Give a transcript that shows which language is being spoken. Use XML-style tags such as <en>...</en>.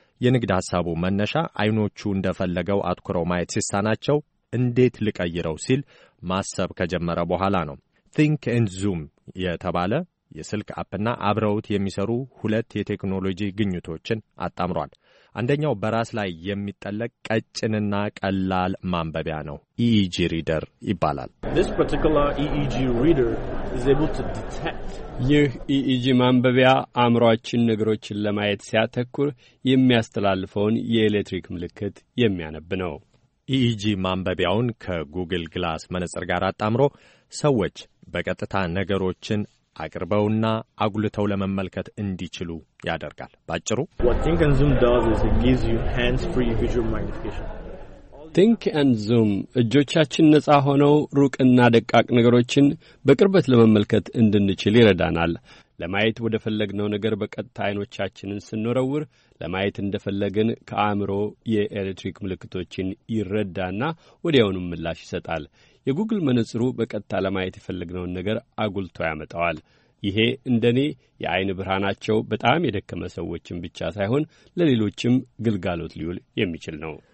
<am>የንግድ ሐሳቡ መነሻ አይኖቹ እንደፈለገው አትኩረው ማየት ሲሳናቸው እንዴት ልቀይረው ሲል ማሰብ ከጀመረ በኋላ ነው። ቲንክ ኤንድ ዙም የተባለ የስልክ አፕና አብረውት የሚሰሩ ሁለት የቴክኖሎጂ ግኝቶችን አጣምሯል። አንደኛው በራስ ላይ የሚጠለቅ ቀጭንና ቀላል ማንበቢያ ነው። EEG reader ይባላል።</am> <en>This particular EEG reader is able to detect</en> <am>ይህ EEG ማንበቢያ አእምሯችን ነገሮችን ለማየት ሲያተኩር የሚያስተላልፈውን የኤሌክትሪክ ምልክት የሚያነብ ነው። EEG ማንበቢያውን ከጉግል ግላስ መነጽር ጋር አጣምሮ ሰዎች በቀጥታ ነገሮችን አቅርበውና አጉልተው ለመመልከት እንዲችሉ ያደርጋል። ባጭሩ</am> <en>Think and Zoom does is it gives you hands-free visual magnification.</en> <am>Think and Zoom እጆቻችን ነጻ ሆነው ሩቅና ደቃቅ ነገሮችን በቅርበት ለመመልከት እንድንችል ይረዳናል። ለማየት ወደፈለግነው ነገር በቀጥታ አይኖቻችንን ስንወረውር ለማየት እንደፈለግን ከአእምሮ የኤሌክትሪክ ምልክቶችን ይረዳና ወዲያውኑ ምላሽ ይሰጣል። የጉግል መነጽሩ በቀጥታ ለማየት የፈለግነውን ነገር አጉልቶ ያመጣዋል። ይሄ እንደኔ የአይን ብርሃናቸው በጣም የደከመ ሰዎችን ብቻ ሳይሆን ለሌሎችም ግልጋሎት ሊውል የሚችል ነው።</am>